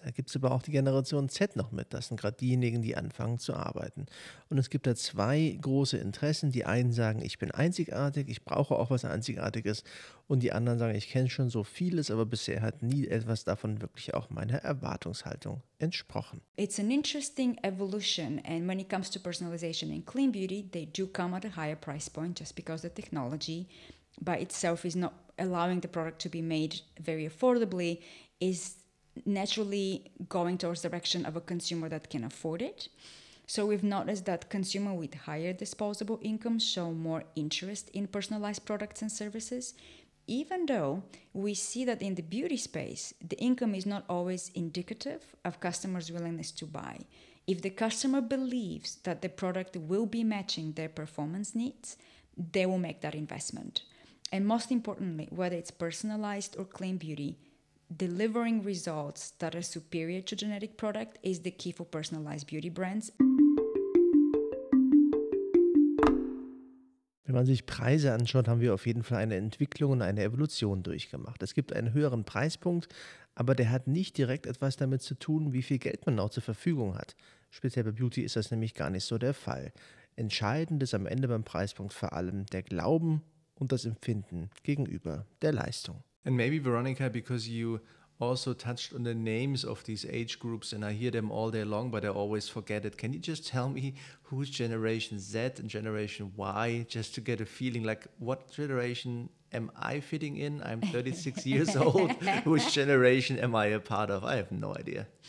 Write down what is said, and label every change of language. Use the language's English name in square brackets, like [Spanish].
[German] Da gibt es aber auch die Generation Z noch mit. Das sind gerade diejenigen, die anfangen zu arbeiten. Und es gibt da zwei große Interessen. Die einen sagen, ich bin einzigartig, ich brauche auch was Einzigartiges. Und die anderen sagen, ich kenne schon so vieles, aber bisher hat nie etwas davon wirklich auch meiner Erwartungshaltung entsprochen. [English] It's an interesting evolution. And when it comes to personalization and clean beauty, they do come at a higher price point just because the technology by itself is not allowing the product to be made very affordably, is naturally going towards the direction of a consumer that can afford it. So we've noticed that consumers with higher disposable income show more interest in personalized products and services, even though we see that in the beauty space, the income is not always indicative of customers' willingness to buy. If the customer believes that the product will be matching their performance needs, they will make that investment. And most importantly, whether it's personalized or clean beauty, delivering results that are superior to genetic product is the key for personalized beauty brands. [German] Wenn man sich Preise anschaut, haben wir auf jeden Fall eine Entwicklung und eine Evolution durchgemacht. Es gibt einen höheren Preispunkt, aber der hat nicht direkt etwas damit zu tun, wie viel Geld man auch zur Verfügung hat. Speziell bei Beauty ist das nämlich gar nicht so der Fall. Entscheidend ist am Ende beim Preispunkt vor allem der Glauben und das Empfinden gegenüber der Leistung. [English] And maybe Veronica, because you also touched on the names of these age groups and I hear them all day long, but I always forget it. Can you just tell me who's Generation Z and Generation Y, just to get a feeling like what generation am I fitting in? I'm 36 years old. Which generation am I a part of? I have no idea.